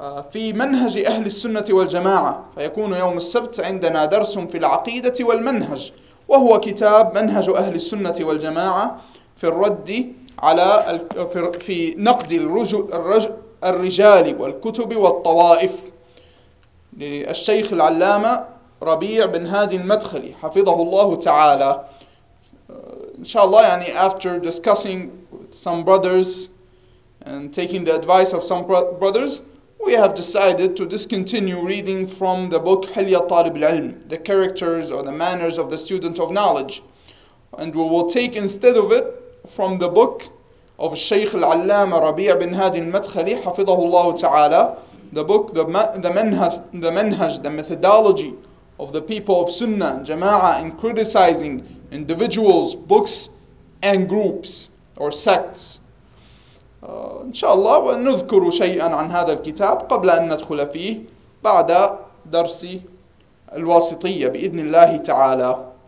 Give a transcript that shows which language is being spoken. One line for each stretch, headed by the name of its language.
Arabic: في منهج أهل السنة والجماعة, فيكون يوم السبت عندنا درس في العقيدة والمنهج, وهو كتاب منهج أهل السنة والجماعة في الرد على في نقد الرجال والكتب والطوائف للشيخ العلامة ربيع بن هادي المدخلي حفظه الله تعالى. إن شاء الله يعني
English: after discussing with some brothers and taking the advice of some brothers, we have decided to discontinue reading from the book حلية طالب العلم, the characters or the manners of the student of knowledge, and we will take instead of it from the book of Shaykh Al-Allama Rabi' bin Hadi Al-Madkhali, hafidhahullah ta'ala, the book, the manhaj, the methodology of the people of Sunnah and Jama'ah in criticizing individuals, books, and groups, or sects.
Arabic: Inshallah, ونذكر شيئا عن هذا الكتاب قبل أن ندخل فيه بعد درس الواسطية بإذن الله تعالى.